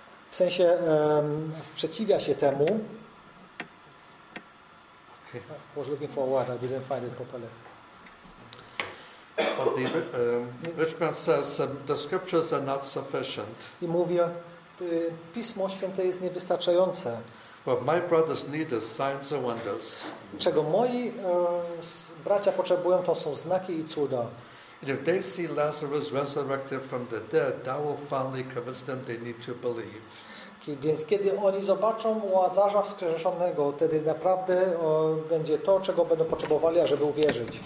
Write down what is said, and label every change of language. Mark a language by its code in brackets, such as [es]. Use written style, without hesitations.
[pl] W sensie sprzeciwia się temu. Okay. [en] I was looking for a word, I didn't find it properly. But the rich man says the scriptures are not sufficient. [pl] I mówi, Pismo Święte jest niewystarczające. [en] What my brothers need is signs and wonders. [pl] Czego moi bracia potrzebują, to są znaki i cuda. [en] And if they see Lazarus resurrected from the dead, that will finally convince them they need to believe. [pl] Więc kiedy oni zobaczą Łazarza wskrzeszonego, wtedy naprawdę będzie to, czego będą potrzebowali, ażeby uwierzyć.